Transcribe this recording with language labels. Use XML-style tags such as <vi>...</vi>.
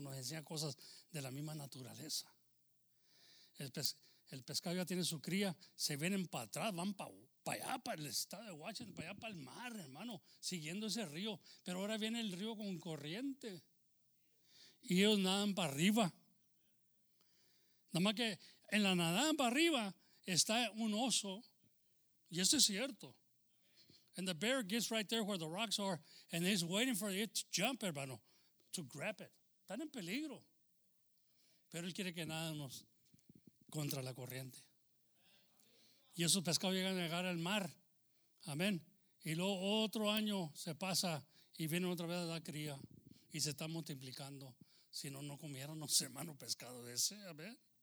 <es>Nos enseña cosas de la misma naturaleza. El pescado ya tiene su cría, se vienen para atrás, van para allá, para el estado de Washington, para allá, para el mar, hermano, siguiendo ese río. Pero ahora viene el río con corriente. Y ellos nadan para arriba. Nada más que en la nadada para arriba está un oso. Y eso es cierto.</es> <en>And the bear gets right there where the rocks are, and he's waiting for it to jump, hermano, to grab it.</en> <es>Están en peligro. Pero él quiere que nadamos contra la corriente. Y esos pescados llegan a llegar al mar. Amén. Y luego otro año se pasa y vienen otra vez a dar cría. Y se están multiplicando. Si no, no comiéramos, hermano, pescado de ese. Amén.</es>